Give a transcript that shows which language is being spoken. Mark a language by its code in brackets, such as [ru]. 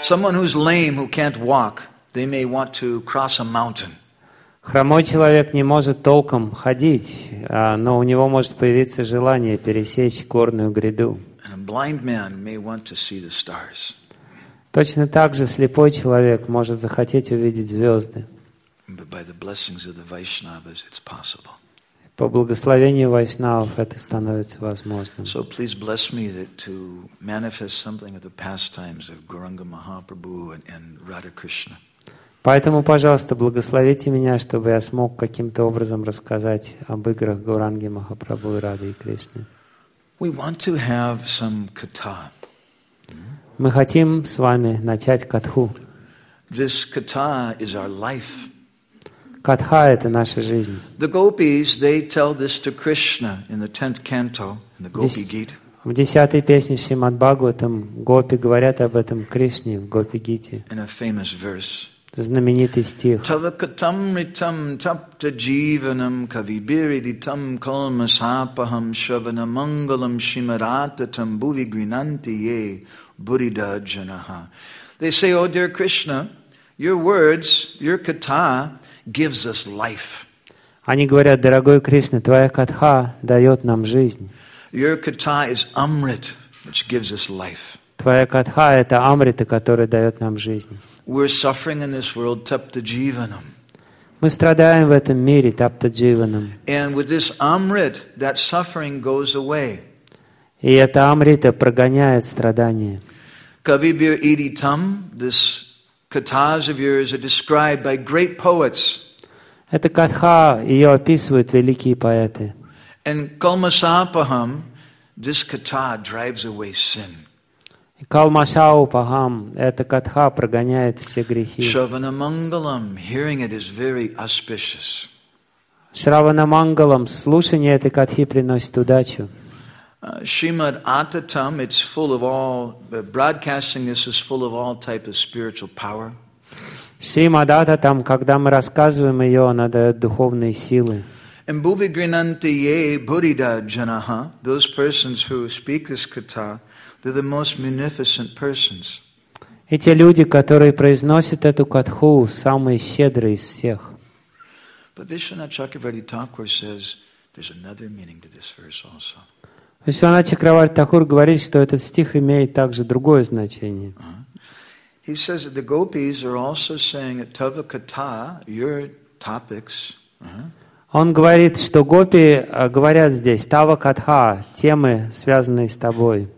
[en] Someone who's lame, who can't walk, they may want to cross a mountain. [ru] Хромой человек не может толком ходить, но у него может появиться желание пересечь горную гряду. [en] And a blind man may want to see the stars. [ru] Точно так же слепой человек может захотеть увидеть звезды. [en] But by the blessings of the Vaishnavas, it's possible. [ru] По благословению Вайшнавов это становится возможным. [en] So please bless me that to manifest something of the pastimes of Gauranga Mahaprabhu and Radha Krishna. [ru] Поэтому, пожалуйста, благословите меня, чтобы я смог каким-то образом рассказать об играх Гауранги Махапрабху и Рады Кришны. [en] We want to have some katha. [ru] Мы хотим с вами начать катху. [en] This katha is our life. [ru] Катха — это наша жизнь. [en] The gopis, they tell this to Krishna in the 10th canto, in the Gopi Gita. [ru] В 10-й песне Шримад Бхагаватам гопи говорят об этом Кришне в Гопи Гите. [en] In a famous verse. [ru] Знаменитый стих. [sa] Tavakatam ritam tapta jivanam kaviriditam kalmasapaham shavana mangalam shimaratatam buvi grinanti ye buddhida janaha. [en] They say, oh dear Krishna, your words, your katha, gives us life. [ru] Они говорят, дорогой Кришна, твоя катха дает нам жизнь. [en] Your katha is amrit, which gives us life. [ru] Твоя катха это амрита, которая дает нам жизнь. [en] We're suffering in this world taptajivanam. [ru] Мы страдаем в этом мире таптадживанам. [en] And with this amrit, that suffering goes away. [ru] И эта амрита прогоняет страдания. [sa] Kavibir iditam, [en] this katas of yours are described by great poets. [ru] Эта катха ее описывают великие поэты. [en] And kalmasapaham, this katha drives away sin. [ru] Kalmasapaham, эта катха прогоняет все грехи. [sa] Shravana mangalam, [en] hearing it is very auspicious. [sa] Shravana mangalam, [ru] слушание этой катхи приносит удачу. [en] Shrimad Atatam, it's full of all, broadcasting this is full of all type of spiritual power. [ru] Shrimad Atatam, когда мы рассказываем ее, она дает духовные силы. [en] And [sa] Buvi Grinanti Ye Buddhida Janaha, [en] those persons who speak this katha, they're the most munificent persons. [ru] Эти люди, которые произносят эту катху, самые щедрые из всех. [en] But Vishwanath Chakravarti Thakur says there's another meaning to this verse also. [ru] Vishwanath Chakravarti Thakur говорит, что этот стих имеет также другое значение. [en] He says that the gopis are also saying tava kata, your topics. [ru] Он говорит, что гопи говорят здесь тава катха, темы, связанные с тобой.